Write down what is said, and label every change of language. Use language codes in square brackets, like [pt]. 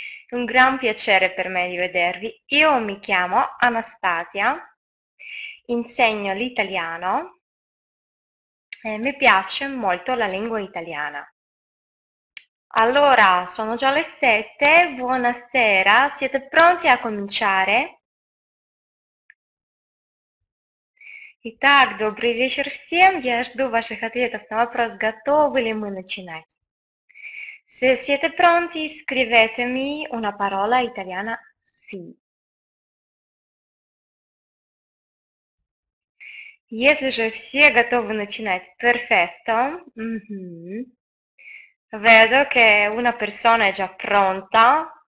[it] Un gran piacere per me di vedervi. Io mi chiamo Anastasia, insegno l'italiano e mi piace molto la lingua italiana. Allora, sono già le 7, buonasera, siete pronti a cominciare? [ru] Итак, добрый вечер всем. Я жду ваших ответов на вопрос, готовы ли мы начинать. [it] Se siete pronti, scrivetemi una parola italiana sì. [ru] Если же все готовы начинать, [it] perfetto. Vedo che una persona è già pronta.